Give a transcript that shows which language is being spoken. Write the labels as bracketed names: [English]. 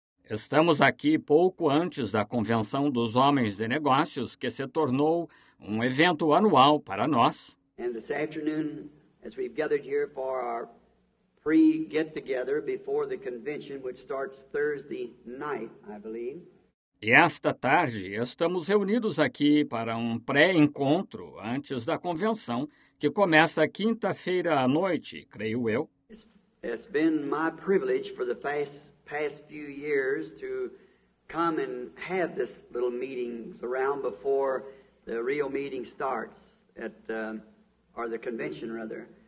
[Portuguese] Estamos aqui pouco antes da convenção dos homens de negócios, que se tornou um evento anual para nós. [English] And this afternoon, as we've gathered here for our pre-get-together before the convention, which starts Thursday night, I believe. [Portuguese] E esta tarde, estamos reunidos aqui para um pré-encontro antes da convenção, que começa quinta-feira à noite, creio eu. [English] It's been my privilege for the past few years to come and have this little meetings around before the real meeting starts at the convention, rather.